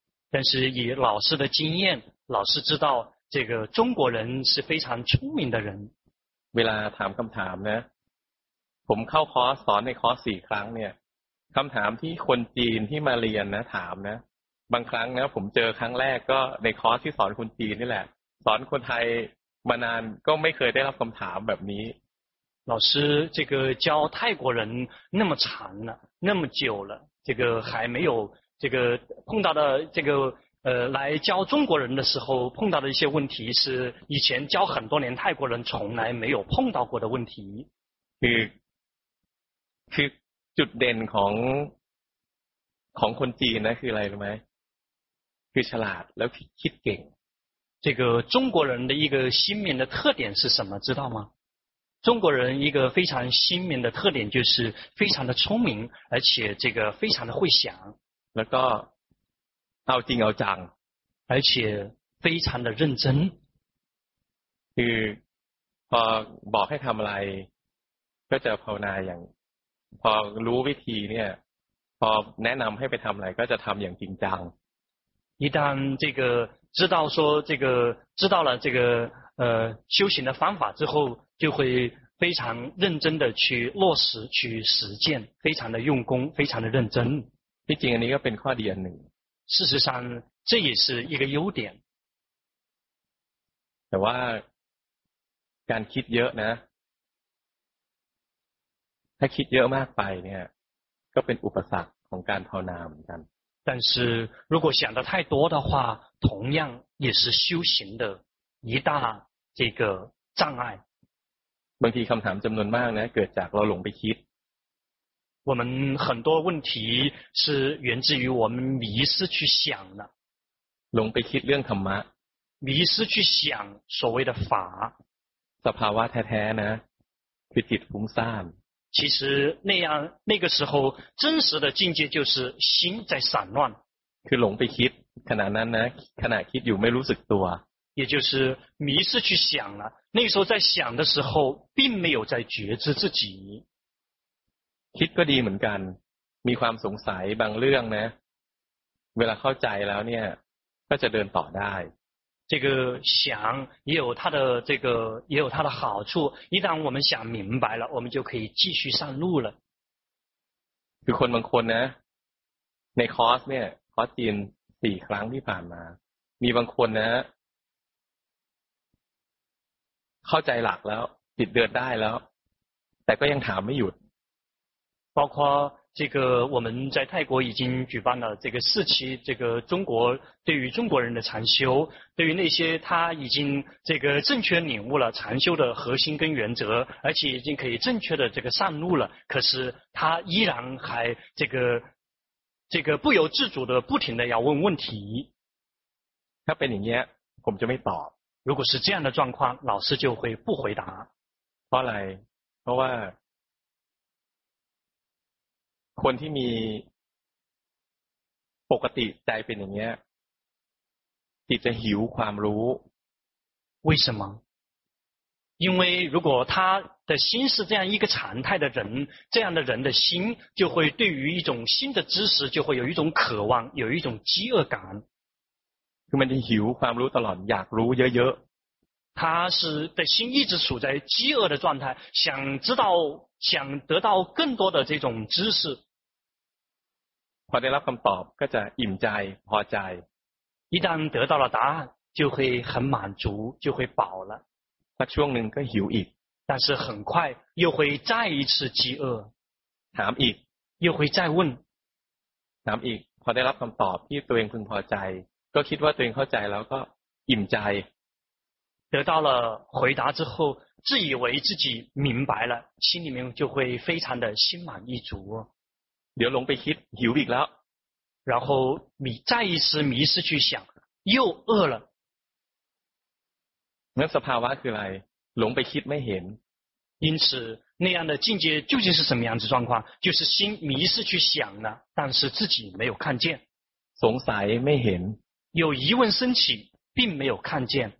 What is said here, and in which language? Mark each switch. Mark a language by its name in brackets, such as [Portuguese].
[Chinese] 但是以老师的经验，老师知道这个中国人是非常聪明的人。 [Thai] เวลาถามคำถามนะผมเข้าคอร์สสอนในคอร์สสี่ครั้งเนี่ยคำถามที่คนจีนที่มาเรียนนะถามนะบางครั้งนะผมเจอครั้งแรกก็ในคอร์สที่สอนคนจีนนี่แหละสอนคนไทยมานานก็ไม่เคยได้รับคำถามแบบนี้ [Chinese] 老师这个教泰国人那么长了那么久了这个还没有这个碰到的这个来教中国人的时候碰到的一些问题是以前教很多年泰国人从来没有碰到过的问题 [Thai] คือจุดเด่นของคนจีนนะคืออะไรรู้ไหมคือฉลาดแล้วคิดเก่ง [Chinese] 这个中国人的一个鲜明的特点是什么知道吗中国人一个非常鲜明的特点就是非常的聪明而且这个非常的会想 [Thai] แล้วก็เอาจริงเอาจัง [Chinese] 而且非常的认真 [Thai] คือพอบอกให้ทำอะไรก็จะภาวนาอย่างพอรู้วิธีเนี่ยพอแนะนำให้ไปทำอะไรก็จะทำอย่างจริงจัง [Chinese] 一旦这个知道说这个知道了这个修行的方法之后，就会非常认真的去落实去实践，非常的用功，非常的认真。毕竟你要变快点呢。事实上，这也是一个优点。 [Thai] แต่ว่าการคิดเยอะนะถ้าคิดเยอะมากไปเนี่ยก็เป็นอุปสรรคของการภาวนาเหมือนกัน [Chinese] 但是如果想的太多的话同样也是修行的一大这个障碍 [Thai] บางทีคำถามจำนวนมากนะเกิดจากเราหลงไปคิด [Chinese] 我们很多问题是源自于我们迷失去想的 [Thai] หลงไปคิดเรื่องธรรมะ [Chinese] 迷失去想所谓的法 [Thai] สภาวะแท้ๆนะคือจิตฟุ้งซ่าน [Chinese] 其实那样那个时候真实的境界就是心在散乱 [Thai] คือหลงไปคิดขณะนั้นนะขณะคิดอยู่ไม่รู้สึกตัว [Chinese] 也就是迷失去想了那时候在想的时候并没有在觉知自己 [Thai] คิดก็ดีเหมือนกันมีความสงสัยบางเรื่องนะเวลาเข้าใจแล้วเนี่ยก็จะเดินต่อได้ [Chinese] 这个想也有它的这个也有它的好处一旦我们想明白了我们就可以继续上路了 [Thai] คือคนบางคนนะในคอร์สเนี่ยคอร์สจีน4ครั้งที่ผ่านมามีบางคนนะเข้าใจหลักแล้วติดเดินได้แล้วแต่ก็ยังถามไม่หยุด [Chinese] 包括这个我们在泰国已经举办了这个四期这个中国对于中国人的禅修对于那些他已经这个正确领悟了禅修的核心跟原则而且已经可以正确的这个上路了可是他依然还这个不由自主的不停的要问问题他被你捏我们就没保如果是这样的状况老师就会不回答后来后来 [Thai] คนที่มีปกติใจเป็นอย่างเงี้ยติดจะหิวความรู้ [Chinese] 为什么因为如果他的心是这样一个常态的人这样的人的心就会对于一种新的知识就会有一种渴望有一种饥饿感 [Thai] คือมันจะหิวความรู้ตลอดอยากรู้เยอะ [Chinese] ๆ他是的心一直处在饥饿的状态想知道想得到更多的这种知识 [Thai] พอได้รับคำตอบก็จะอิ่มใจพอใจ [Chinese] 一旦得到了答案就会很满足就会饱了 [Thai] แต่ช่วงหนึ่งก็หิวอีก [Chinese] 但是很快又会再一次饥饿 [Thai] ถามอีก [Chinese] 又会再问 [Thai] ถามอีกพอได้รับคำตอบที่ตัวเองพึงพอใจก็คิดว่าตัวเองเข้าใจแล้วก็อิ่มใจ [Chinese] 得到了回答之后自以为自己明白了心里面就会非常的心满意足 [Thai] เดี๋ยวหลงไปคิดหิวอีกแล้ว [Chinese] 然后你再一次迷失去想又饿了 [Thai] งั้นสภาวะคืออะไรหลงไปคิดไม่เห็น [Chinese] 因此那样的境界究竟是什么样子状况就是心迷失去想了但是自己没有看见 [Thai] สงสัยไม่เห็น [Chinese] 有疑问升起并没有看见